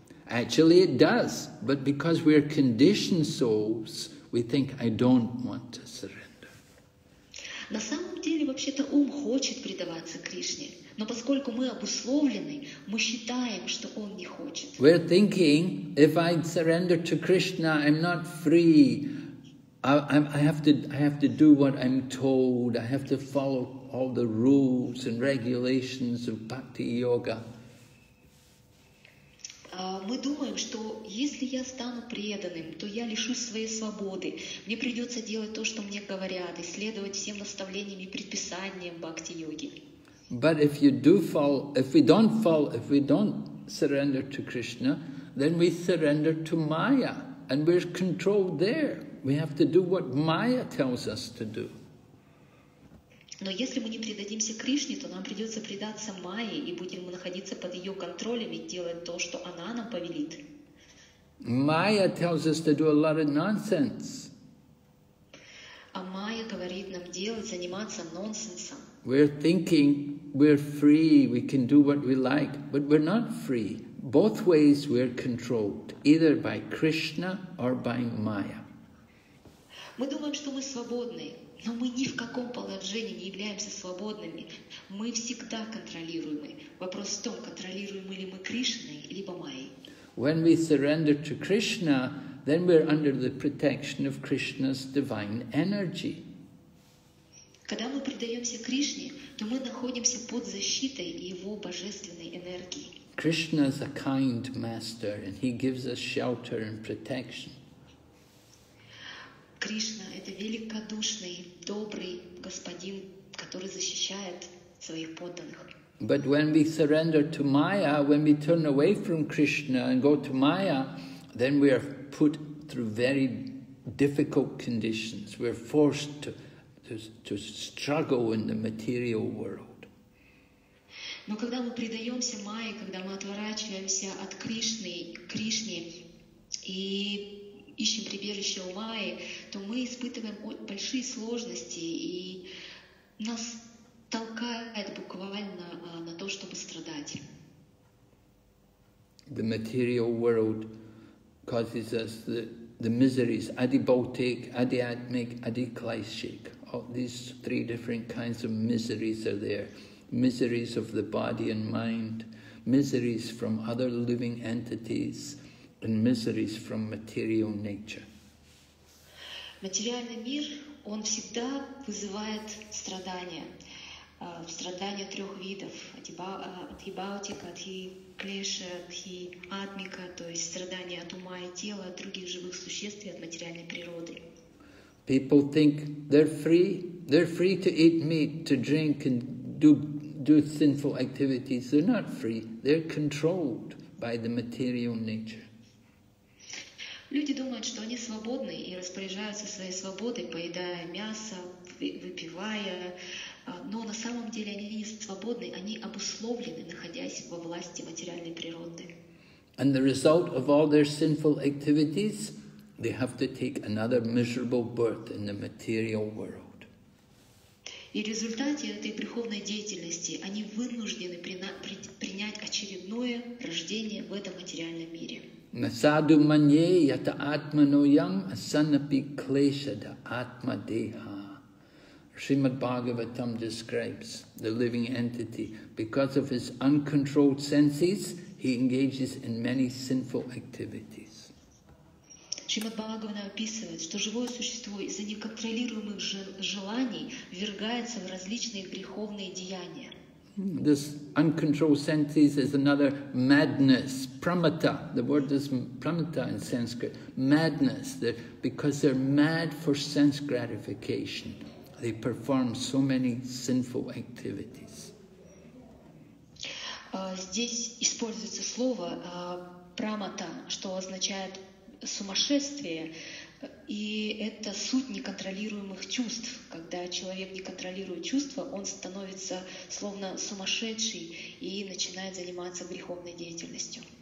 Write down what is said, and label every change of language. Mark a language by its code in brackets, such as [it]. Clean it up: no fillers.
[en] Actually, it does, but because we are conditioned souls, we think I don't want to surrender. [ru] На самом деле, вообще-то ум хочет предаваться Кришне, но поскольку мы обусловлены, мы считаем, что он не хочет. [en] We're thinking, if I surrender to Krishna, I'm not free. I have to do what I'm told. I have to follow all the rules and regulations of bhakti yoga. [ru] Мы думаем, что если я стану преданным, то я лишусь своей свободы. Мне придется делать то, что мне говорят, и следовать всем наставлениям и предписаниям бхакти йоги. [en] But if you do fall, if we don't fall, if we don't surrender to Krishna, then we surrender to Maya, and we're controlled there. We have to do what Maya tells us to do. [ru] Но если мы не предадимся Кришне, то нам придется предаться Майе, и будем мы находиться под ее контролем и делать то, что она нам повелит. [en] Maya tells us to do a lot of nonsense. [ru] А Майя говорит нам делать, заниматься нонсенсом. [en] We're thinking we're free, we can do what we like, but we're not free. Both ways we're controlled, either by Krishna or by Maya. [ru] Мы думаем, что мы свободны, но мы ни в каком положении не являемся свободными. Мы всегда контролируемы. Вопрос в том, контролируемы ли мы Кришной, либо Майей. [en] When we surrender to Krishna, then we're under the protection of Krishna's divine energy. [ru] Когда мы предаемся Кришне, то мы находимся под защитой Его божественной энергии. [en] Krishna is a kind master, and He gives us shelter and protection. [ru] Кришна — это великодушный, добрый господин, который защищает своих подданных. [en] But when we surrender to Maya, when we turn away from Krishna and go to Maya, then we are put through very difficult conditions. We are forced to struggle in the material world. [ru] Но когда мы предаемся Майе, когда мы отворачиваемся от Кришны, Кришне и ищем прибежище у Майи, то мы испытываем большие сложности, и нас толкает буквально на то, чтобы страдать. [en] The material world causes us the miseries, adibhautik, adhyatmik, adiklaishik. All these three different kinds of miseries are there. Miseries of the body and mind, miseries from other living entities, and miseries from material nature. [ru] Материальный мир, он всегда вызывает страдания. Страдания трех видов. Адхибаутика, адхиклеша, адхиатмика, то есть страдания от ума и тела, от других живых существ и от материальной природы. [en] People think they're free. They're free to eat meat, to drink and do sinful activities. They're not free. They're controlled by the material nature. [ru] Люди думают, что они свободны и распоряжаются своей свободой, поедая мясо, выпивая, но на самом деле они не свободны, они обусловлены, находясь во власти материальной природы. [en] And the result of all their sinful activities, they have to take another miserable birth in the material world. [ru] И в результате этой греховной деятельности они вынуждены принять очередное рождение в этом материальном мире. [sa] Насаду манье ята атмано ям асанапи клешада атма деха. [en] Srimad Bhagavatam describes the living entity. Because of his uncontrolled senses, he engages in many sinful activities. [ru] Srimad Bhagavatam описывает, что живое существо из-за неконтролируемых желаний ввергается в различные греховные деяния. [en] This uncontrolled senses is another madness, pramata. The word is pramata in Sanskrit. Madness, because they're mad for sense gratification. They perform so many sinful activities. [ru] Здесь используется слово прамата, что означает сумасшествие, и это суть неконтролируемых чувств. Когда человек не контролирует чувства, он становится словно сумасшедший и начинает заниматься греховной деятельностью.